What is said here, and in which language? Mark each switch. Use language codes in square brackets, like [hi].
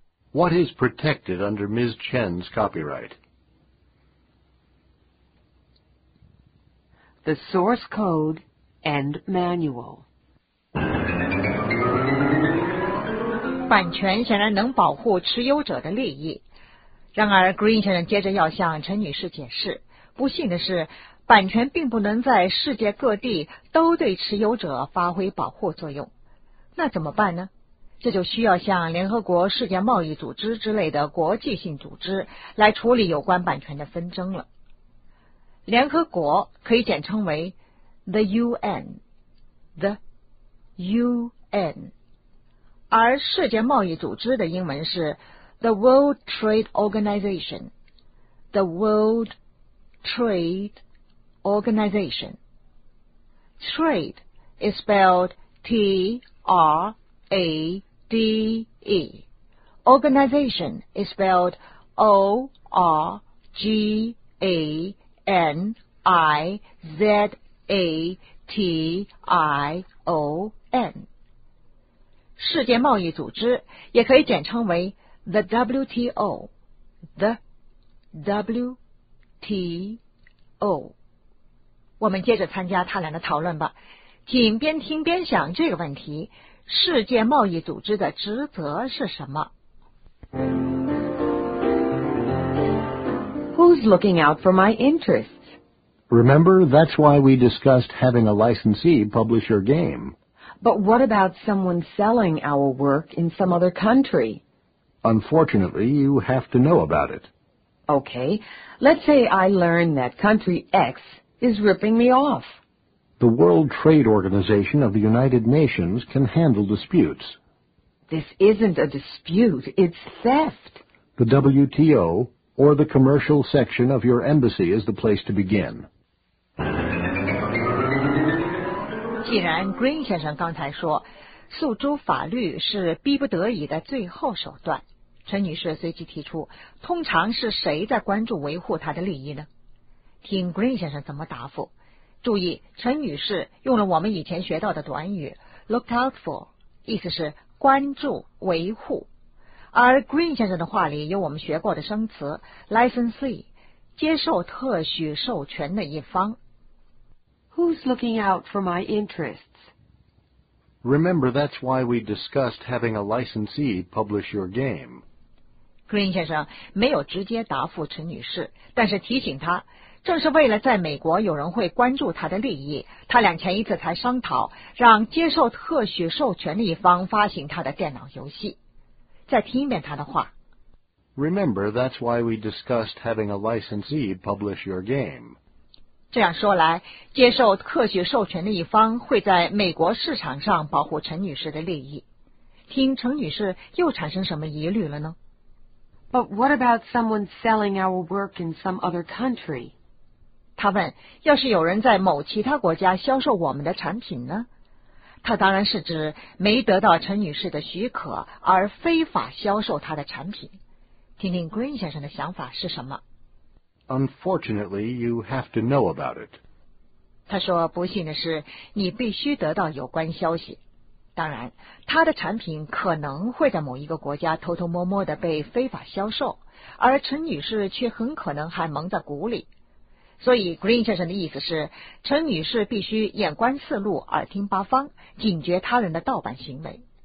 [en] What is protected under Ms. Chen's copyright? The source code and manual. [zh] 版权显然能保护持有者的利益。然而 Green 先生接着要向陈女士解释，不幸的是，版权并不能在世界各地都对持有者发挥保护作用。那怎么办呢？这就需要向联合国世界贸易组织之类的国际性组织来处理有关版权的纷争了。联合国可以简称为 The UN, The UN, 而世界贸易组织的英文是 The World Trade Organization, The World Trade Organization, [en] trade is spelled T-R-A-D-E. Organization is spelled O-R-G-A-N-I-Z-A-T-I-O-N. [zh] 世界贸易组织也可以简称为 the WTO, the WTO。我们接着参加他俩的讨论吧，请边听边想这个问题，世界贸易组织的职责是什么？ [en] Who's looking out for my interests? Remember, that's why we discussed having a licensee publish your game. But what about someone selling our work in some other country? Unfortunately, you have to know about it. Okay, let's say I learn that country X is ripping me off. The World Trade Organization of the United Nations can handle disputes. This isn't a dispute, it's theft. The WTO... or the commercial section of your embassy is the place to begin. [zh] 既然 Green 先生刚才说诉诸法律是逼不得已的最后手段，陈女士随即提出，通常是谁在关注维护她的利益呢？听 Green 先生怎么答复。注意，陈女士用了我们以前学到的短语 [en] looked out for, [zh] 意思是关注维护。而 Green 先生的话里有我们学过的生词 licensee, 接受特许授权的一方。 [en] Who's looking out for my interests? Remember, that's why we discussed having a licensee publish your game. [zh] Green 先生没有直接答复陈女士，但是提醒她，正是为了在美国有人会关注她的利益，她俩前一次才商讨让接受特许授权的一方发行她的电脑游戏。再听一遍他的话。 [en] Remember, that's why we discussed having a licensee publish your game. [zh] 这样说来，接受特许授权的一方会在美国市场上保护陈女士的利益。听陈女士又产生什么疑虑了呢？ [en] But what about someone selling our work in some other country? [zh] 她问，要是有人在某其他国家销售我们的产品呢？他当然是指没得到陈女士的许可而非法销售她的产品。听听 Green 先生的想法是什么。 [en] Unfortunately, you have to know about it. [zh] 他说，不幸的是，你必须得到有关消息。当然，他的产品可能会在某一个国家偷偷摸摸地被非法销售，而陈女士却很可能还蒙在鼓里。所以 Green 先生的意思是，陈女士必须眼观四路，耳听八方，警觉他人的盗版行为。